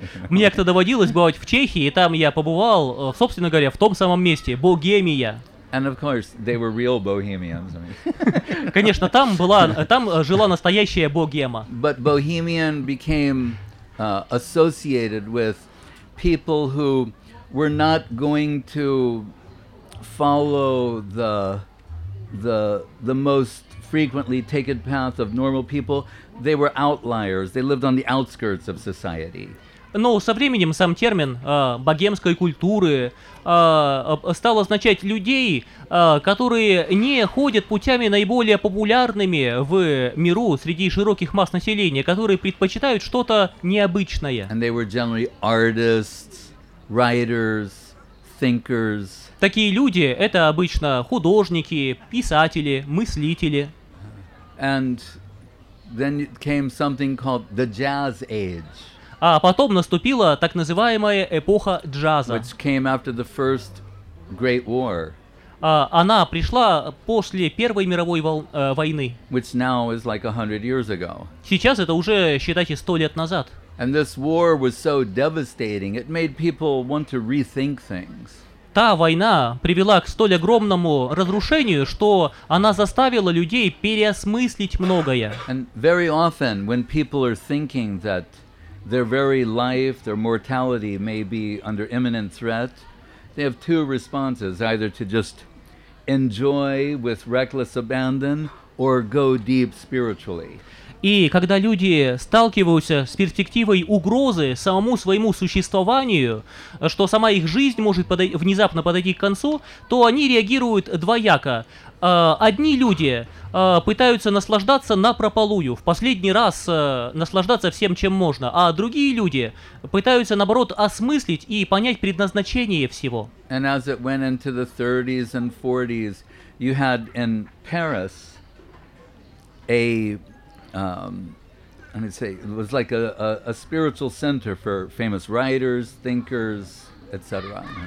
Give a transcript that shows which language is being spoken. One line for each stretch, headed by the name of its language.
Russian: Мне как-то доводилось бывать в Чехии, и там я побывал, собственно говоря, в том самом месте, Богемия.
English: And of course, they were real bohemians.
Russian: Конечно, там была, там жила настоящая богема.
English: But bohemian became associated with people who we're not going to follow the most frequently taken path of normal people. They were outliers. They lived on the outskirts of society.
Russian: Но со временем сам термин богемской культуры стал означать людей, которые не ходят путями наиболее популярными в миру среди широких масс населения, которые предпочитают что-то необычное.
English: And they were generally artists, writers, thinkers.
Russian: Такие люди — это обычно художники, писатели, мыслители.
English: And then came something called the jazz age.
Russian: А потом наступила так называемая эпоха джаза.
English: Which came after the first Great War.
Russian: Она пришла после Первой мировой войны.
English: Which now is like 100 years ago.
Russian: Сейчас это уже, считайте, 100 лет назад.
English: And this war was so devastating, it made people want to rethink things.
Russian: Та война привела к столь огромному разрушению, что она заставила людей переосмыслить многое.
English: And very often, when people are thinking that their very life, their mortality may be under imminent threat, they have two responses, either to just enjoy with reckless abandon or go deep spiritually.
Russian: И когда люди сталкиваются с перспективой угрозы самому своему существованию, что сама их жизнь может внезапно подойти к концу, то они реагируют двояко. Одни люди пытаются наслаждаться напропалую, в последний раз наслаждаться всем, чем можно, а другие люди пытаются, наоборот, осмыслить и понять предназначение всего.
English: And as it went into the 30s and 40s, you had in Paris a it was like a spiritual center for famous writers, thinkers, etc.